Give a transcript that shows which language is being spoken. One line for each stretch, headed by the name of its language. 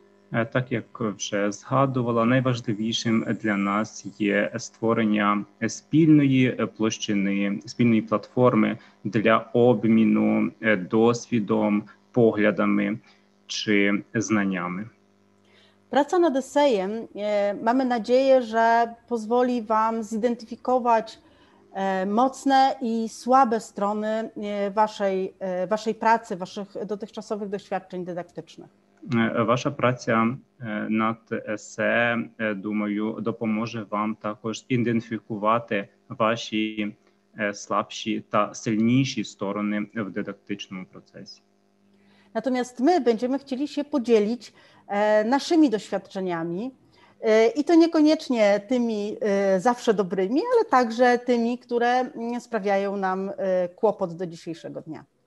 Ukrainian: Так, як вже згадувала, найважливішим для нас є створення спільної площини, спільної платформи для обміну досвідом, поглядами чи знаннями.
Polish: Praca nad esejem, mamy nadzieję, że pozwoli Wam zidentyfikować mocne i słabe strony Waszej pracy, Waszych dotychczasowych doświadczeń dydaktycznych.
Ukrainian: Ваша праця над есе, думаю, допоможе вам також ідентифікувати ваші слабші та сильніші сторони в дидактичному процесі. Натомість ми будемо хотіли ще поділити нашими досвідченнями, і то не конечно тими завжди добрими, але також тими, які справляють нам клопот до сьогоднішнього дня.